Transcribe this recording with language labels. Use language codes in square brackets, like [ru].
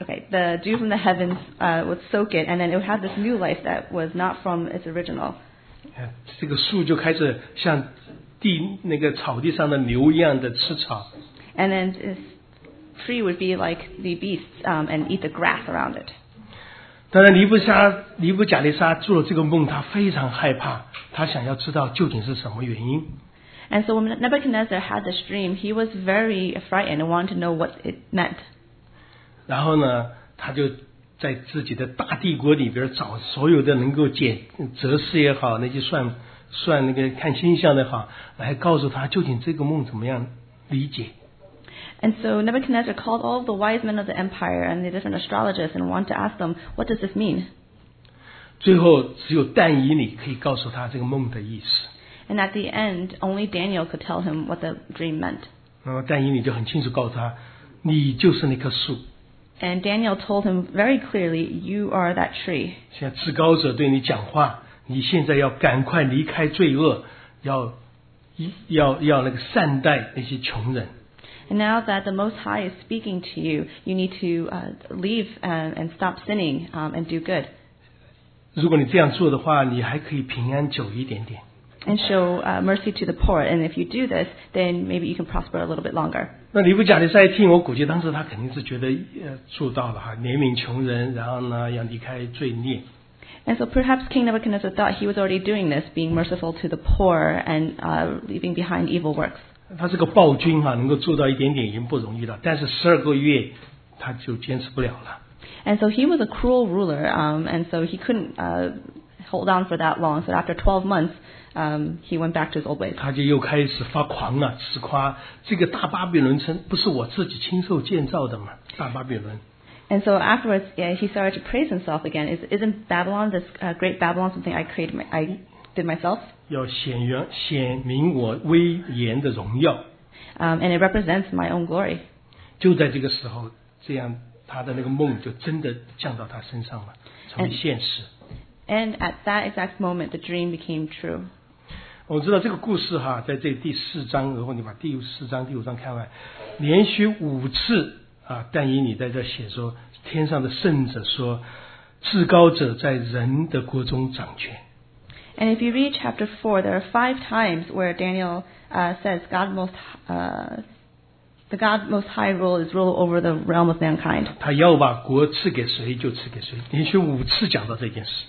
[en] The dew from the heavens would soak it, and then it would have this new life that was not from its original. [zh] 这个树就开始像地那个草地上的牛一样的吃草。 [en] And then this tree would be like the beasts, and eat the grass around it. [zh] 当然，尼布甲利沙做了这个梦，他非常害怕，他想要知道究竟是什么原因。 [en] And so when Nebuchadnezzar had this dream, he was very frightened and wanted to know what it meant. [zh] 然后呢，他就。在自己的大帝国里边找所有的能够解哲士也好，那些算那个看星象的好，来告诉他究竟这个梦怎么样理解。 [en] And so Nebuchadnezzar called all the wise men of the empire and the different astrologers and wanted to ask them, what does this mean? [zh] 最后只有但以理可以告诉他这个梦的意思。 [en] And at the end, only Daniel could tell him what the dream meant. [zh] 那么但以理就很清楚告诉他，你就是那棵树。 [en] And Daniel told him very clearly, "You are that tree." [zh] 现在至高者对你讲话，你现在要赶快离开罪恶，要那个善待那些穷人。 [en] And now that the Most High is speaking to you, you need to leave and stop sinning and do good. [zh] 如果你这样做的话，你还可以平安久一点点。 [en] And show mercy to the poor. And if you do this, then maybe you can prosper a little bit longer. [zh] 那尼布甲利撒一听，我估计当时他肯定是觉得做到了哈，怜悯穷人，然后呢要离开罪孽。 [en] And so perhaps King Nebuchadnezzar thought he was already doing this, being merciful to the poor and leaving behind evil works. [zh] 他是个暴君啊, 能够做到一点点已经不容易了, 但是12个月, 他就坚持不了了。 [en] And so he was a cruel ruler, and so he couldn't hold on for that long. So after 12 months, he went back to his old ways. [zh] 他就又开始发狂了, 自夸, 这个大巴比伦城不是我自己亲手建造的吗? 大巴比伦。 [en] And so afterwards, yeah, he started to praise himself again. Isn't Babylon, this great Babylon, something I created, I did myself? [zh] 要显明我威严的荣耀。 [en] And it represents my own glory. [zh] 就在这个时候, 这样他的那个梦就真的降到他身上了, 成为现实。 [en] And at that exact moment, the dream became true. [zh] 我知道这个故事哈, 在这第四章, 如果你把第四章、第五章看完, 连续五次, 但以你在这写说, 天上的圣者说, 至高者在人的国中掌权。 [en] And if you read chapter 4, there are 5 times where Daniel says God most, the God most high rule is rule over the realm of mankind. [zh] 他要把国赐给谁就赐给谁, 连续5次讲到这件事。